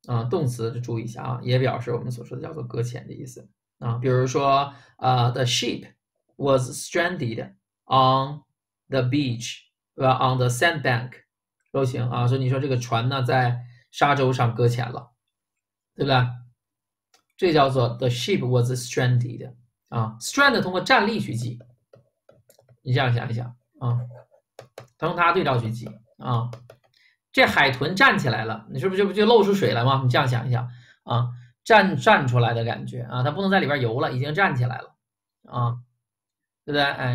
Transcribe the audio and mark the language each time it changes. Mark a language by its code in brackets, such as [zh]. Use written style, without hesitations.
[zh] 动词就注意一下啊，也表示我们所说的叫做搁浅的意思啊。比如说， [en] the ship was stranded on the beach， [zh] 对吧？ [en] On the sandbank [zh] 都行啊。所以你说这个船呢在沙洲上搁浅了，对不对？这叫做 [en] the ship was stranded 啊。 [zh] strand 通过站立去记，你这样想一想啊，它用它对照去记啊。这海豚站起来了，你是不是就露出水来吗？你这样想一想啊，站出来的感觉啊，它不能在里边游了，已经站起来了啊，对不对？